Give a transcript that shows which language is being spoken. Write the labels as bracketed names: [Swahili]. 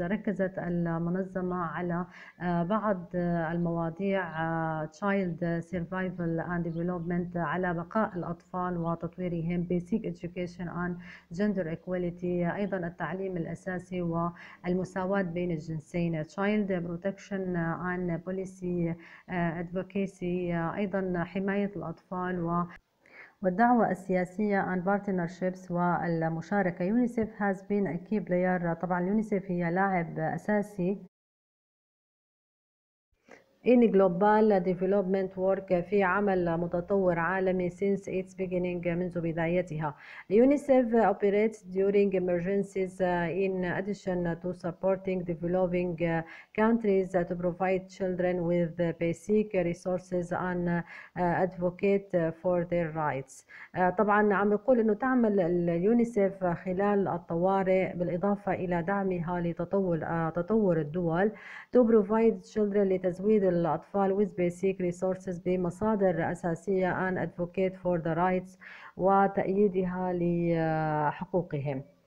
[Arabic] ركزت المنظمة على بعض المواضيع [English] child survival and development, [Arabic] على بقاء الأطفال وتطويرهم, [English] basic education and gender equality, [Arabic] أيضا التعليم الأساسي والمساواة بين الجنسين, [English] child protection and policy advocacy, [Arabic] أيضا حماية الأطفال والدعوة السياسية [English] and partnerships [Arabic] والمشاركة. [English] UNICEF has been a key player. [Arabic] طبعا يونيسف هي لاعب أساسي [English] in global development work, [Arabic] في عمل متطور عالمي, [English] since its beginning, [Arabic] منذ بدايتها. [English] UNICEF operates during emergencies in addition to supporting developing countries to provide children with basic resources and advocate for their rights. [Arabic] طبعا عم يقول انه تعمل اليونيسف خلال الطوارئ بالاضافه الى دعمها لتطور الدول [English] to provide children, [Arabic] لتزويد الأطفال [English] with basic resources, [Arabic] بمصادر أساسية, [English] and advocate for the rights, [Arabic] وتأييدها لحقوقهم.